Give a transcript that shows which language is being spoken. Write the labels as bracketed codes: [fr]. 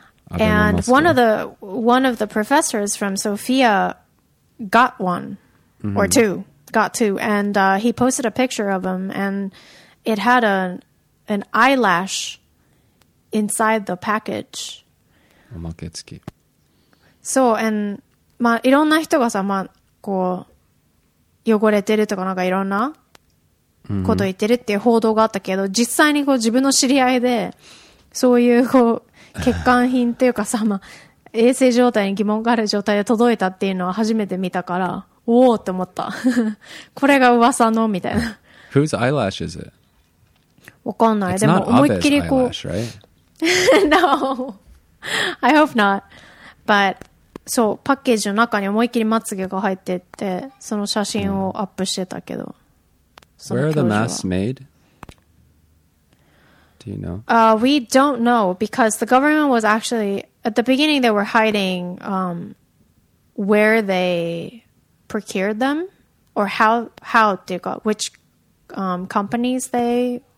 [en] And one of the professors from Sophia got one, mm-hmm. or two, got two. And he posted a picture of them, and it had an eyelash inside the package. [ja] おまけ付き。そう、and、まあ、いろんな人がさ、まあ、こう、汚れてるとか、なんかいろんなこと言ってるっていう報道があったけど、mm-hmm. 実際にこう、自分の知り合いで、そういうこう、欠陥品っていうかさ、まあ、衛生状態に疑問がある状態で届いたっていうのは初めて見たから、おおって思った。これが噂の、みたいな。 [en] Whose eyelash is it? [ja] わかんない。でも思いっきりこう。 [en] Eyelash, right? No, I hope not. [ja] But そうパッケージの中に思いっきりまつげが入ってってその写真をアップしてたけど。 [en] Where are the masks made? Do you know? We don't know because the government was actually at the beginning they were hiding where they procured them or how [ja] っていうか [en] which companies they.